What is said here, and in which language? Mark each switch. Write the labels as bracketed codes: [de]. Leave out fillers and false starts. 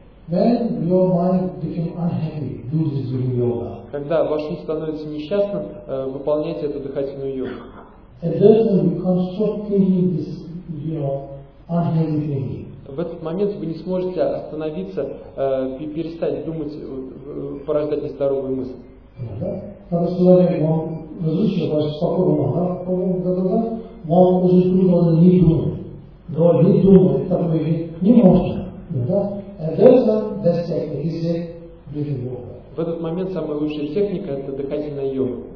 [en] Then your mind becomes unhappy, loses your yoga. [ru] Когда ваш ум становится несчастным, выполняйте эту дыхательную йогу. [en] And then you can't stop thinking this, you know, unhappy thinking. [ru] В этот момент вы не сможете остановиться и перестать думать, порождать нездоровые мысли. В этот момент самая лучшая техника — это дыхательная йога.